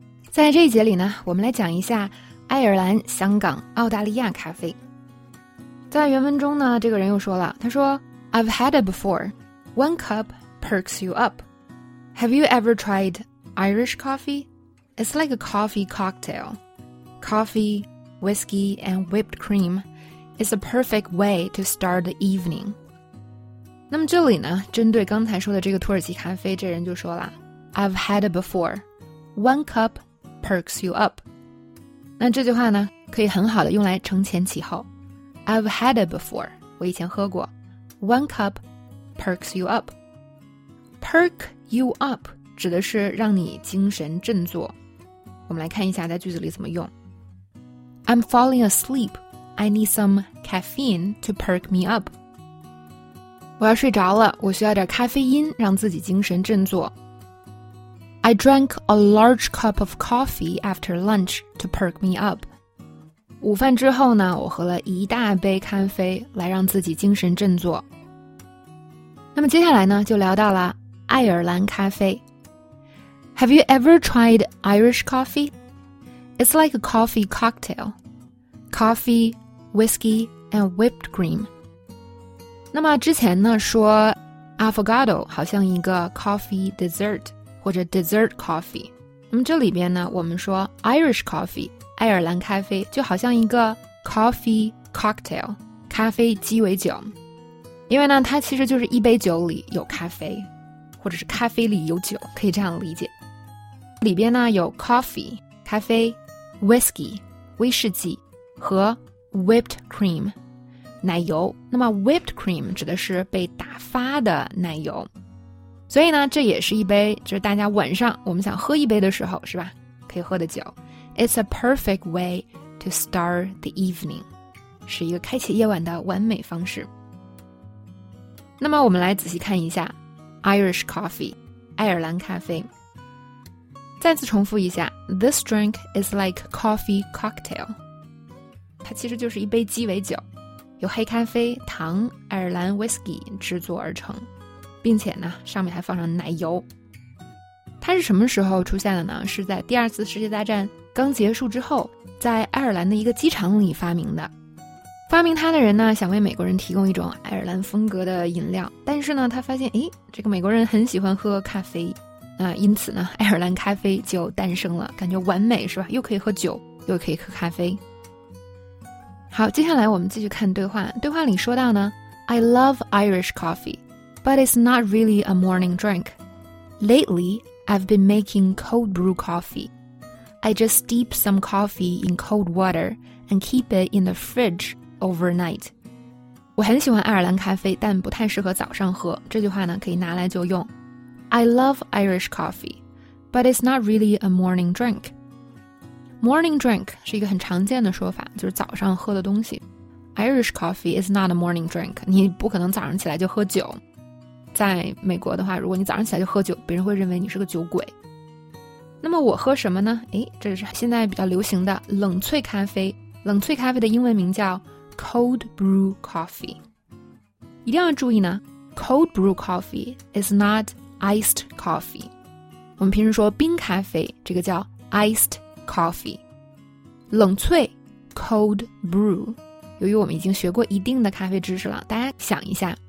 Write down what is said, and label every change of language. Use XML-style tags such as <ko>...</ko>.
<zh>在这一节里呢，我们来讲一下爱尔兰、香港、澳大利亚咖啡。在原文中呢，这个人又说了，他说</zh> <en>I've had it before. One cup perks you up. Have you ever tried Irish coffee? It's like a coffee cocktail. Coffee, whiskey, and whipped cream is a perfect way to start the evening.</en> <zh>那么这里呢，针对刚才说的这个土耳其咖啡，这人就说了</zh> <en>I've had it before. One cupperks you up.</en> <zh>那这句话呢可以很好的用来承前启后。</zh> <en>I've had it before.</en> <zh>我以前喝过。</zh> <en>One cup perks you up. Perk you up</en> <zh>指的是让你精神振作。我们来看一下在句子里怎么用。</zh> <en>I'm falling asleep. I need some caffeine to perk me up.</en> <zh>我要睡着了，我需要点咖啡因让自己精神振作。</zh> <en>I drank a large cup of coffee after lunch to perk me up.</en> <zh>午饭之后呢，我喝了一大杯咖啡来让自己精神振作。那么接下来呢，就聊到了爱尔兰咖啡。</zh> <en>Have you ever tried Irish coffee? It's like a coffee cocktail. Coffee, whiskey, and whipped cream.</en> <zh>那么之前呢，说 Affogato 好像一个 coffee dessert。或者 dessert coffee， 那么这里边呢，我们说 Irish coffee， 爱尔兰咖啡就好像一个 coffee cocktail， 咖啡鸡尾酒，因为呢，它其实就是一杯酒里有咖啡，或者是咖啡里有酒，可以这样理解。里边呢有 coffee 咖啡 ，whiskey 威士忌和 whipped cream 奶油。那么 whipped cream 指的是被打发的奶油。所以呢，这也是一杯，就是大家晚上我们想喝一杯的时候，是吧？可以喝的酒。</zh> <en>It's a perfect way to start the evening，</en> <zh>是一个开启夜晚的完美方式。那么我们来仔细看一下 Irish coffee， 爱尔兰咖啡。再次重复一下 ，</zh> <en>This drink is like coffee cocktail，</en> <zh>它其实就是一杯鸡尾酒，由黑咖啡、糖、爱尔兰 whiskey 制作而成。并且呢，上面还放上奶油。它是什么时候出现的呢？是在第二次世界大战刚结束之后，在爱尔兰的一个机场里发明的。发明它的人呢，想为美国人提供一种爱尔兰风格的饮料，但是呢，他发现，这个美国人很喜欢喝咖啡，因此呢，爱尔兰咖啡就诞生了，感觉完美，是吧？又可以喝酒，又可以喝咖啡。好，接下来我们继续看对话。对话里说到呢</zh> <en>，I love Irish coffee. But it's not really a morning drink. Lately, I've been making cold brew coffee. I just steep some coffee in cold water and keep it in the fridge overnight.</en> <zh>我很喜欢爱尔兰咖啡，但不太适合早上喝。这句话呢，可以拿来就用。</zh> <en>I love Irish coffee, but it's not really a morning drink.</en> <zh>Morning drink 是一个很常见的说法，就是早上喝的东西。</zh> <en>Irish coffee is not a morning drink.</en> <zh>你不可能早上起来就喝酒。在美国的话，如果你早上起来就喝酒，别人会认为你是个酒鬼。那么我喝什么呢？这是现在比较流行的冷萃咖啡。冷萃咖啡的英文名叫 cold brew coffee。一定要注意呢</zh> <en>，cold brew coffee is not iced coffee。</en> <zh>我们平时说冰咖啡，这个叫 iced coffee。冷萃 cold brew， 由于我们已经学过一定的咖啡知识了，大家想一下。</zh>